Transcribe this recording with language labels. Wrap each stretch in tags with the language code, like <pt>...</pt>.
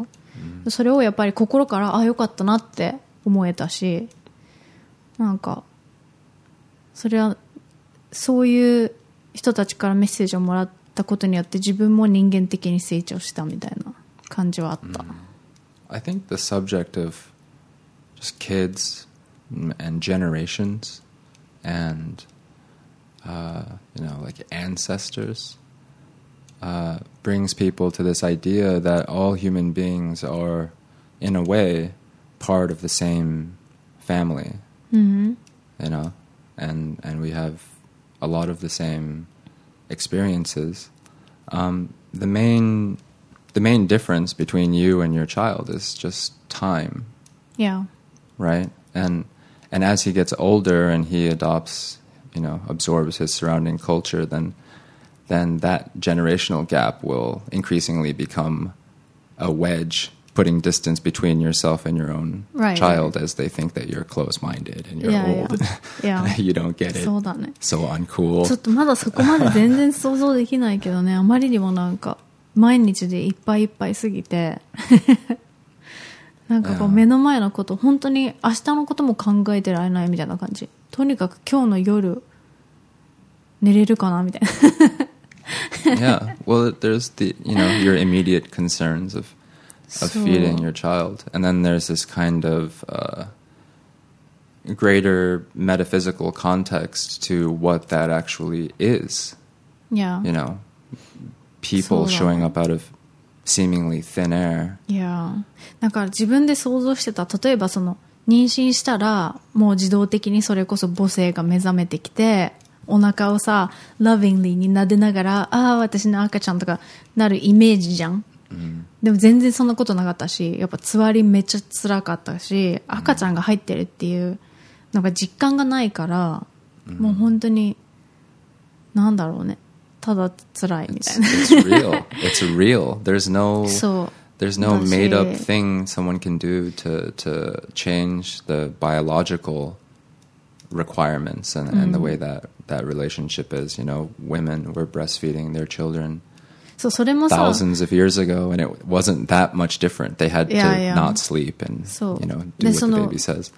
<ja>うん、それをやっぱり心からあ、よかったなって思えたし、なんかそれはそういう人たちからメッセージをもらったことによって自分も人間的に成長したみたいな感じはあった、 mm.</ja> <en>I think the subject of just kidsand generations and you know, like ancestors brings people to this idea that all human beings are in a way part of the same family、 mm-hmm. you know, and we have a lot of the same experiences、the main difference between you and your child is just time, yeah, right? And as he gets older and he adopts, you know, absorbs his surrounding culture, then that generational gap will increasingly become a wedge, putting distance between yourself and your own、 right. child as they think that you're close-minded and you're yeah, old. Yeah. Yeah. You don't get it.</en> <ja>そうだね。</ja> <en>So uncool.</en> <ja>ちょっとまだそこまで全然想像できないけどね。あまりにもなんか毎日でいっぱいいっぱいすぎて。なんかこう目の前のこと、yeah. 本当に明日のことも考えてられないみたいな感じ、とにかく今日の夜寝れるかなみたいな。</ja> <en>Yeah, well there's the, you know, your immediate concerns of feeding your child, and then there's this kind of greater metaphysical context to what that actually is. Yeah. You know, people showing up out ofseemingly thin air. Yeah.</en> <ja>なんか自分で想像してた、例えばその妊娠したらもう自動的にそれこそ母性が目覚めてきて、お腹をさ lovingly に撫でながら、ああ私の赤ちゃんとかなるイメージじゃん、 mm. でも全然そんなことなかったし、やっぱつわりめっちゃ辛かったし、赤ちゃんが入ってるっていうなんか実感がないから、mm. もう本当になんだろうね、ただ辛いみたいな。</ja> <en>It's real. There's no,</en> <ja>そう、</ja> <en>there's no made up thing someone can do to change the biological requirements and,、うん、and the way that relationship is. You know, women were breastfeeding their children</en> <ja>そう、それもさ、</ja> <en>thousands of years ago, and it wasn't that much different. They had to not sleep and you know, do what the baby says.</en>